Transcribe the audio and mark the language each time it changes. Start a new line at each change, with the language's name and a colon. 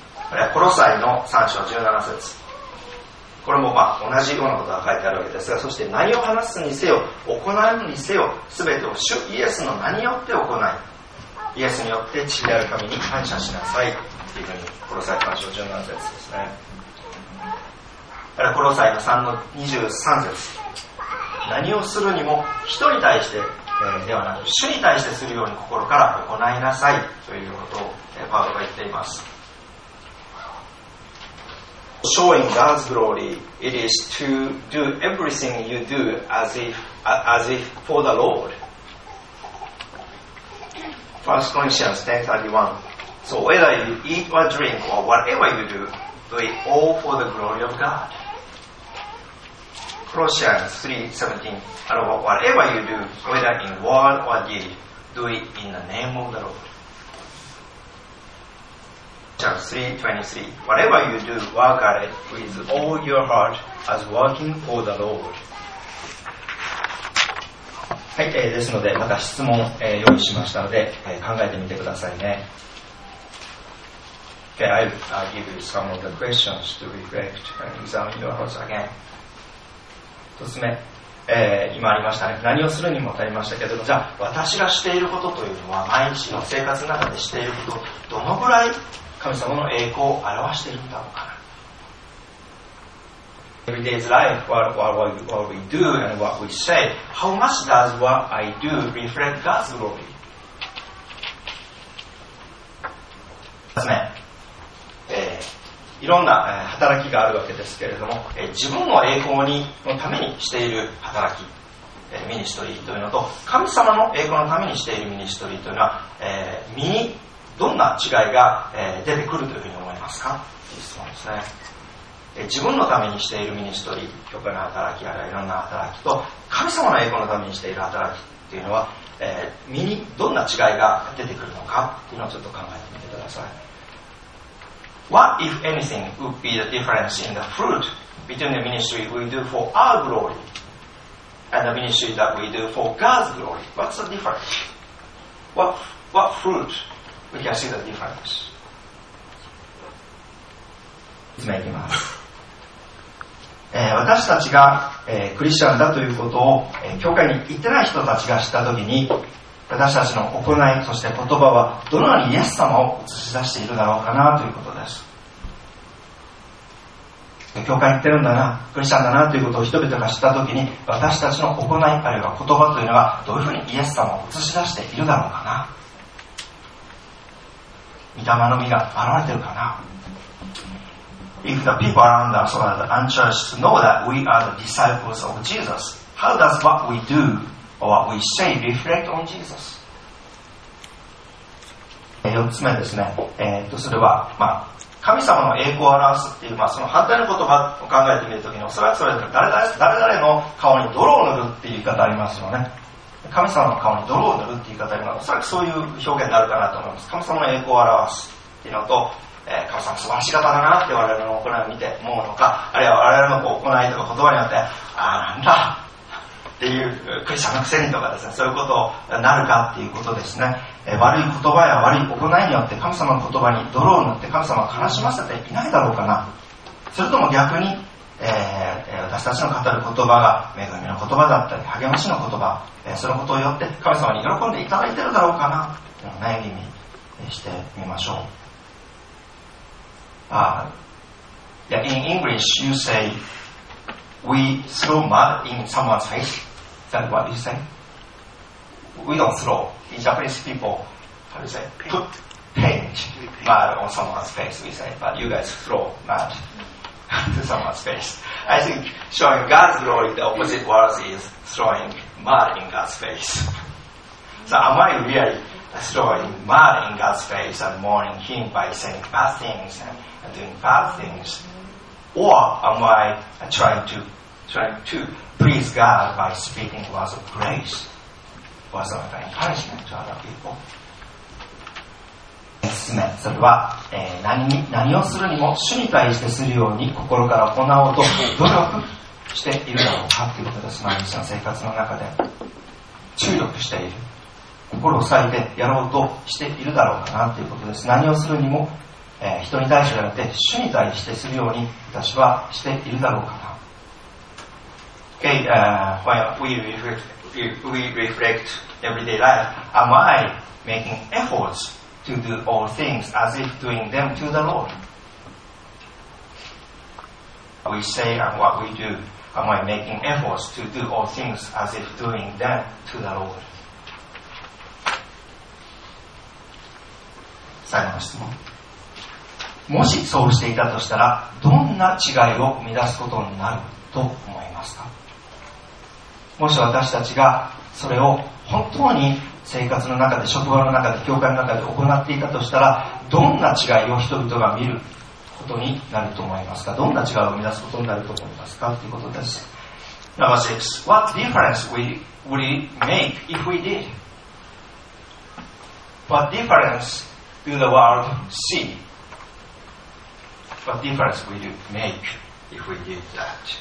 Japanese: これはコロサイの3章17節、これも同じようなことが書いてあるわけですが、そして何を話すにせよ、行うにせよ、すべてを主イエスの名によって行い、イエスによって父である神に感謝しなさいというふうに、コロサイ3章17節ですね。コロサイの3の23節、何をするにも人に対して、ではなく主に対してするように心から行いなさいということを、パウロが言っています。
English: Showing God's glory, it is to do everything you do as if for the Lord. 1 Corinthians 10:31. So whether you eat or drink or whatever you do, do it all for the glory of God. Colossians 3:17. And whatever you do, whether in word or deed, do it in the name of the Lord. 3:23. Whatever you do, work at it with all your heart as working for the Lord.
Japanese: はい、ですのでまた質問、用意しましたので、考えてみてくださいね。
English: Okay, I'll give you some of the questions to reflect and examine your hearts again.
Japanese: 1つ目、今ありましたね。何をするにも当たりましたけども、じゃあ私がしていることというのは毎日の生活の中でしていることどのぐらい神様の栄光を表しているんだろうかな。
English: Every day's life, what we do and what we say, how much does what I do reflect God's glory?
Japanese: 2つ目、いろんな働きがあるわけですけれども、自分の栄光のためにしている働き、ミニストリーというのと、神様の栄光のためにしているミニストリーというのは、身にどんな違いが出てくるというふうに思いますか？という質問ですね。自分のためにしているミニストリー、教会の働き、あるいはいろんな働きと、神様の栄光のためにしている働きというのは、身にどんな違いが出てくるのかというのをちょっと考えてみてください。
English: What, if anything, would be the difference in the fruit between the ministry we do for our glory and the ministry that we do for God's glory? What's the difference? What fruit we can see the difference?
Japanese: 説明します。私たちが、クリスチャンだということを、教会に行ってない人たちが知ったときに、私たちの行い、そして言葉はどのようにイエス様を映し出しているだろうかなということです。教会に行ってるんだな、クリスチャンだなということを人々が知ったときに、私たちの行い、あるいは言葉というのはどういうふうにイエス様を映し出しているだろうかな、御霊の実が現れてるかな。
English: If the people around us or the unchurched know that we are the disciples of Jesus, how does what we do or what we say reflect on Jesus?
Japanese: 4つ目ですね。それは、神様の栄光を表すっていう、その反対の言葉を考えてみるときに、おそらくそれぞれ誰々の顔に泥を塗るっていう言い方ありますよね。神様の顔に泥を塗るっていう言い方あります。おそらくそういう表現になるかなと思います。神様の栄光を表すっていうのと、神様素晴らしい方だなって我々の行いを見て思うのか、あるいは我々の行いとか言葉によって、ああなんだっていうクリスチャンのくせにとかですね、そういうことになるかっていうことですね。悪い言葉や悪い行いによって神様の言葉に泥を塗って神様を悲しませていないだろうかな、それとも逆に、私たちの語る言葉が恵みの言葉だったり励ましの言葉、そのことによって神様に喜んでいただいてるだろうかなっていう悩みにしてみましょう。
English: In English, you say we throw mud in someone's face. Is that what you say? We don't throw. In Japanese people, how do you say? Put paint mud on someone's face, we say. But you guys throw mud to someone's face. I think showing God's glory, the opposite words is throwing mud in God's face. So am I really throwing mud in God's face and mourning Him by saying bad things and doing bad things, or am I trying to please God by speaking words of grace, words of encouragement to other people?
Japanese: 5つ目、それは、何をするにも主に対してするように心から行おうと努力しているだろうかということです。毎日の生活の中で注力している、心を割いてやろうとしているだろうかなということです。何をするにも人に対してじゃなくて主に対してするように私はしているだろうかな。
English: Okay, we reflect everyday life. Am I making efforts to do all things as if doing them to the Lord? We say and what we do, am I making efforts to do all things as if doing them to the Lord?
Japanese: 最後の質問、もしそうしていたとしたら、どんな違いを生み出すことになると思いますか？もし私たちがそれを本当に生活の中で、職場の中で、教会の中で行っていたとしたら、どんな違いを人々が見ることになると思いますか？どんな違いを生み出すことになると思いますか？ということです。
English: Number six, what difference would we make if we did? What difference do the world see? What difference will you make if we did that?